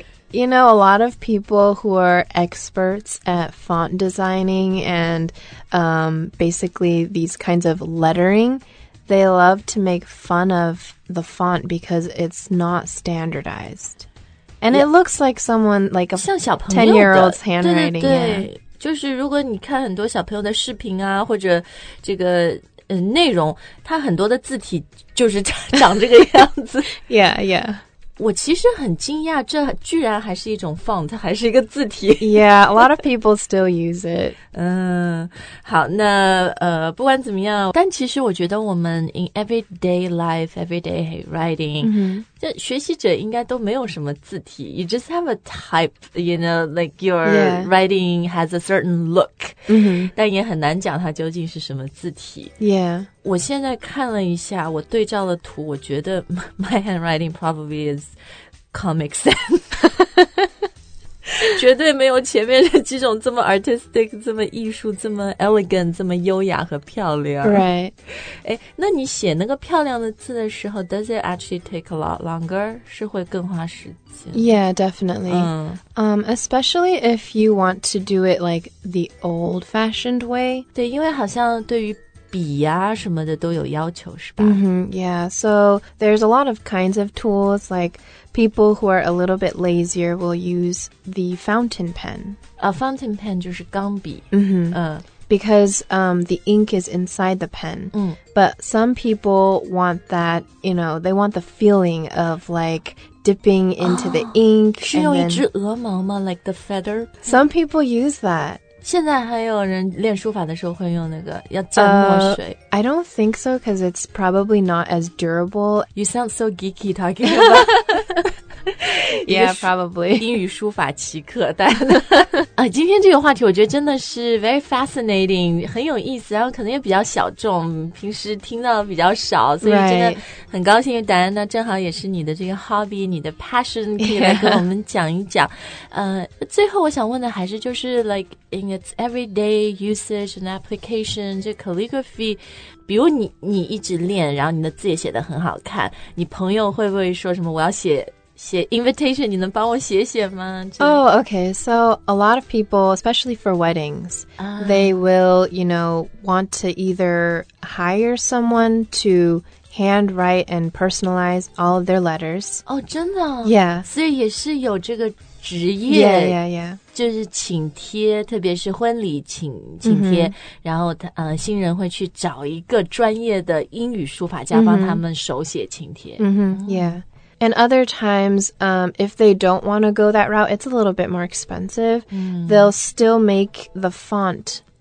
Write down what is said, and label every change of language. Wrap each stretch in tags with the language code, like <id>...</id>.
<en>You know, a lot of people who are experts at font designing and、basically these kinds of lettering, they love to make fun of the font because it's not standardized. And、yeah. it looks like someone, like a</en> <zh>像小朋友</zh> <en>10-year-old's handwriting.</en> <zh>对对对、yeah. 就是如果你看很多小朋友的视频啊或者这个、内容它很多的字体就是长这个样子。</zh> <en>yeah, yeah.</en> <zh>我其实很惊讶这居然还是一种 font, 还是一个字体。</zh> <en>Yeah, a lot of people still use it.</en> <zh>好那不管怎么样但其实我觉得我们</zh> <en>in everyday life, everyday writing,、 mm-hmm.</en> <zh>这学习者应该都没有什么字体。</zh> <en>You just have a type, you know, like your、 yeah. writing has a certain look.、 Mm-hmm.</en> <zh>但也很难讲它究竟是什么字体。</zh> <en>Yeah.</en> <zh>我现在看了一下我对照了图我觉得</zh> <en>my handwriting probably is Comic Sans</en> <zh>绝对没有前面的几种这么 artistic 这么艺术这么 elegant 这么优雅和漂亮</zh> <en>Right</en> <zh>那你写那个漂亮的字的时候</zh> <en>Does it actually take a lot longer</en> <zh>是会更花时间</zh> <en>Yeah definitely、Especially if you want to do it like the old fashioned way</en> <zh>对因为好像对于笔啊什么的都有要求是吧、</zh> <en>mm-hmm, Yeah, so there's a lot of kinds of tools, like people who are a little bit lazier will use the fountain pen.</en> <zh>A fountain pen 就是钢笔、</zh> <en>mm-hmm. Because the ink is inside the pen.、 Mm. But some people want that, you know, they want the feeling of like dipping into、oh, the ink.</en> <zh>是用一只鹅毛吗</zh> <en>like the feather?、</en> <zh>Pen?</zh> <en>Some people use that.</en> <zh>现在还有人练书法的时候会用那个要蘸墨水。</zh> <en>I don't think so, because it's probably not as durable. You sound so geeky talking about. yeah, probably.</en> <zh>英语书法奇客，但今天这个话题我觉得真的是</zh> <en>very fascinating,</en> <zh>很有意思，然后可能也比较小众，平时听到比较少，所以真的很高兴，因为戴安娜正好也是你的这个 hobby, 你的 passion, 可以来跟我们讲一讲。最后我想问的还是就是</zh> <en>like,In its everyday usage and application,</en> <zh>这 calligraphy, 比如你一直练，然后你的字也写得很好看，你朋友会不会说什么我要写 invitation, 你能帮我写写吗？</zh> <en>Oh, okay. So a lot of people, especially for weddings, they will, you know, want to either hire someone to... hand write and personalize all of their letters.</en> <zh>Oh, 真的?</zh> <en>Yeah.</en> <zh>所以也是有这个职业。</zh> <en>Yeah, yeah, yeah.</en> <zh>就是请帖,特别是婚礼请帖,然后新人会去找一个专业的英语书法家帮他们手写请帖。</zh> <en>Yeah. And other times, if they don't want to go that route, it's a little bit more expensive. They'll still make the font</en>